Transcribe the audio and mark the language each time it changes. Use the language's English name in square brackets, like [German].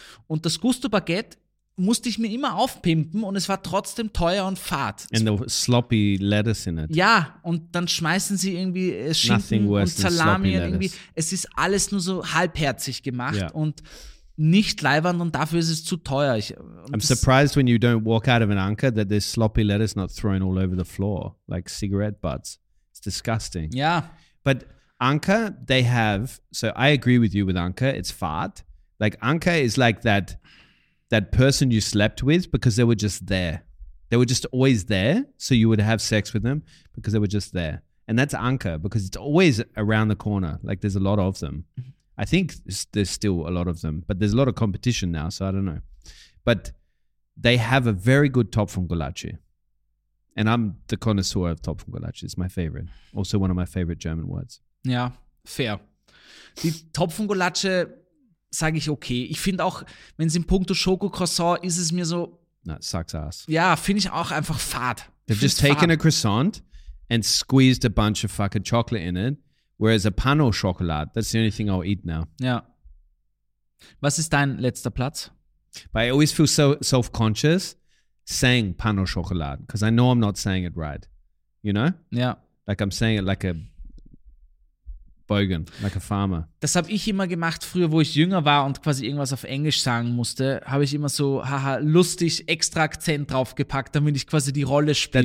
[German] Und das Gusto-Baguette musste ich mir immer aufpimpen und es war trotzdem teuer und fad. [English] And the sloppy lettuce in it. [German] Ja, und dann schmeißen sie irgendwie Schinken und Salami und irgendwie. Es ist alles nur so halbherzig gemacht und nicht leiwand und dafür ist es zu teuer. [English] I'm surprised when you don't walk out of an Anker that there's sloppy lettuce not thrown all over the floor, like cigarette butts. It's disgusting. [German] Ja. [English] But Anker, they have, so I agree with you with Anker, it's [German] fad. [English] Like Anker is like that person you slept with because they were just there. They were just always there, so you would have sex with them because they were just there. And that's Anker because it's always around the corner. Like there's a lot of them. I think there's still a lot of them, but there's a lot of competition now, so I don't know. But they have a very good Topf von Gulacsi. And I'm the connoisseur of Topf von Gulacsi. It's my favorite. Also one of my favorite German words. Yeah, fair. [German] Die Topf von Gulacsi, sage ich okay. Ich finde auch, wenn es in puncto Schoko-Croissant ist, es mir so. Na, [English] sucks ass. [German] Ja, finde ich auch einfach fad. [English] They've just taken a croissant and squeezed a bunch of fucking chocolate in it, whereas a pan au chocolat, that's the only thing I'll eat now. [German] Ja. Was ist dein letzter Platz? [English] But I always feel so self-conscious saying pan au chocolat, because I know I'm not saying it right. You know? [German] Ja. [English] Like I'm saying it like a Beugen, like a farmer. [German] Das habe ich immer gemacht früher, wo ich jünger war und quasi irgendwas auf Englisch sagen musste, habe ich immer so, haha, lustig, extra Akzent draufgepackt, damit ich quasi die Rolle spiele.